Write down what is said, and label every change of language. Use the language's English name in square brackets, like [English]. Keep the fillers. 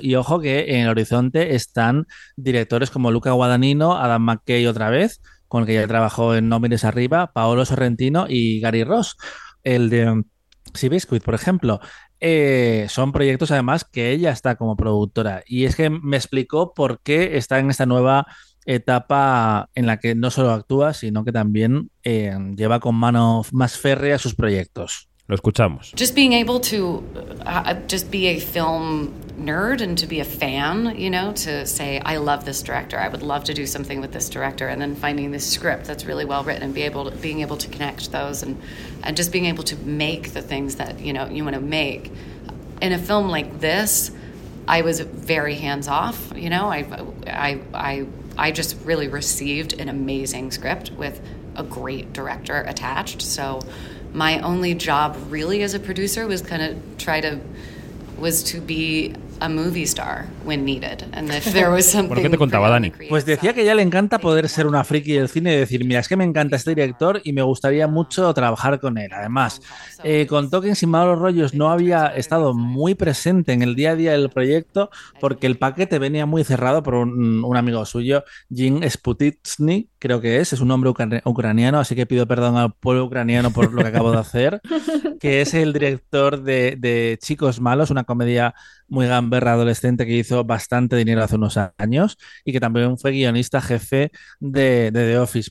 [Spanish] Y ojo que en el horizonte están directores como Luca Guadagnino, Adam McKay otra vez, con el que ya trabajó en No Mines Arriba, Paolo Sorrentino y Gary Ross, el de Sea Biscuit, por ejemplo. Eh, son proyectos además que ella está como productora. Y es que me explicó por qué está en esta nueva etapa en la que no solo actúa, sino que también eh, lleva con mano más férrea sus proyectos. Lo escuchamos. [English] Just being able to uh, just be a film nerd and to be a fan, you know, to say I love this director, I would love to do something with this director, and then finding the script that's really well written and be able to, being able to connect those and and just being able to make the things that you know you want to make in a film like this, I was very hands off, you know, I I I I just really received an amazing script with a great director attached, so. my only job really as a producer was kind of try to was to be a movie star when needed and if there was something [Spanish] ¿qué te contaba Dani? Pues decía que ya le encanta poder ser una friki del cine y decir, mira, es que me encanta este director y me gustaría mucho trabajar con él. Además, eh, con Token sin los rollos no había estado muy presente en el día a día del proyecto porque el paquete venía muy cerrado por un, un amigo suyo, Jim Sputitsny creo que es, es un hombre ucraniano, así que pido perdón al pueblo ucraniano por lo que acabo de hacer, que es el director de, de Chicos Malos, una comedia muy gamberra adolescente que hizo bastante dinero hace unos años y que también fue guionista jefe de, de The Office.